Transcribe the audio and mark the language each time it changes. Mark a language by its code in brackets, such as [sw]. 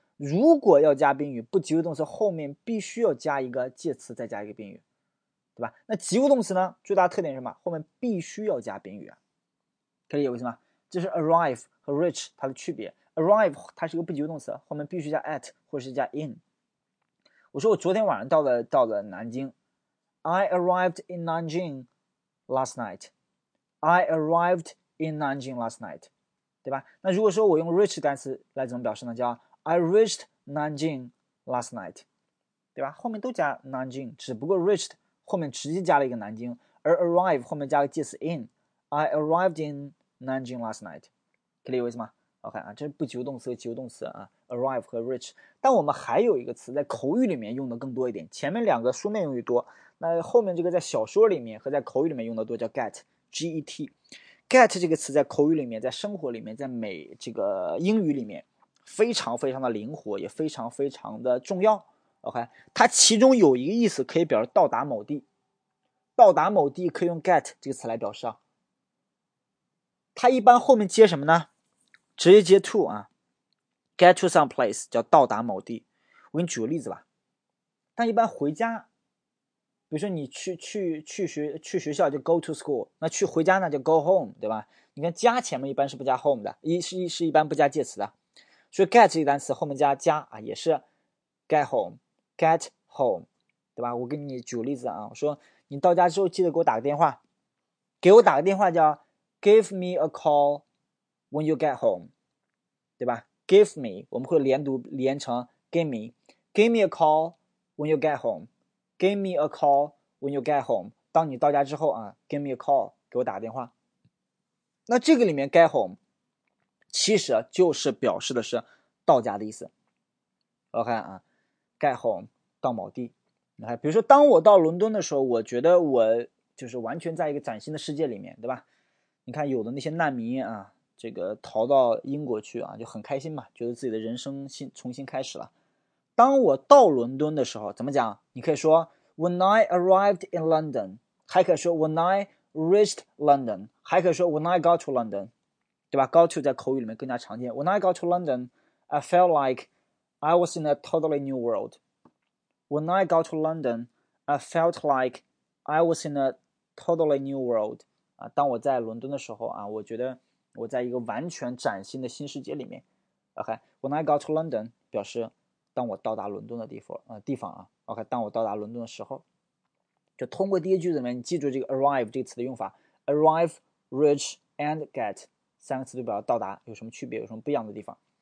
[zh] 如果要加宾语，不及物动词后面必须要加一个介词，再加一个宾语，对吧？那及物动词呢，最大特点是什么？后面必须要加宾语，可以有意思吗？这是 arrive 和 reach 它的区别。arrive 它是一个不及物动词，后面必须加 at 或是加 in。我说我昨天晚上到了南京。 [en] I arrived in Nanjing last night. I arrived in Nanjing last night. [zh] 对吧？那如果说我用 reach 单词来怎么表示呢？ [en] 叫 I reached Nanjing last night. [zh] 对吧？后面都加 Nanjing， 只不过 reached 后面直接加了一个南京，而 arrive 后面加个介词 in。 [en] I arrived in Nanjing last night， [zh] 可以理解吗？OK 啊，这是不及物动词和及物动词啊 ，arrive 和 reach。但我们还有一个词在口语里面用的更多一点，前面两个书面用语多，那后面这个在小说里面和在口语里面用的多，叫 get。 get 这个词在口语里面、在生活里面、在美这个英语里面非常非常的灵活，也非常非常的重要。 OK， 它其中有一个意思可以表示到达某地，到达某地可以用 get 这个词来表示啊。它一般后面接什么呢？直接接 to 啊 ，get to some place 叫到达某地。我给你举个例子吧。但一般回家，比如说你去学校就 go to school， 那去回家呢就 go home， 对吧？你看家前面一般是不加 home 的，是一般不加介词的。所以 get 这个单词后面加家啊，也是 get home，get home， 对吧？我给你举个例子啊，我说你到家之后记得给我打个电话，给我打个电话叫。 [en] Give me a call when you get home， [zh] 对吧 [en] ？Give me， [zh] 我们会连成 [en] give me， give me a call when you get home， give me a call when you get home。 [zh] 当你到家之后啊 ， [en] give me a call， [zh] 给我打个电话。那这个里面 get home 其实就是表示的是到家的意思。 OK 啊 ，get home 到某地。比如说，当我到伦敦的时候，我觉得我就是完全在一个崭新的世界里面，对吧？你看，有的那些难民啊，这个逃到英国去啊，就很开心嘛，觉得自己的人生重新开始了。当我到伦敦的时候，怎么讲？你可以说 [en] When I arrived in London, [zh] 还可以说 [en] When I reached London, 还可以说 When I got to London, [zh] 对吧 [en] ?Got to [zh] 在口语里面更加常见。 [en] When I got to London, I felt like I was in a totally new world. When I got to London, I felt like I was in a totally new world.、 [zh] 啊、当我在伦敦的时候、啊、我觉得我在一个完全崭新的新世界里面。 OK, [en] When I got to London, [zh] 表示当我到达伦敦的地方、地方啊 ,OK, 当我到达伦敦的时候就通过第一句里面你记住这个 arrive 这个词的用法 ,arrive, reach, and get, 三个词就表达到达有什么区别有什么不一样的地方。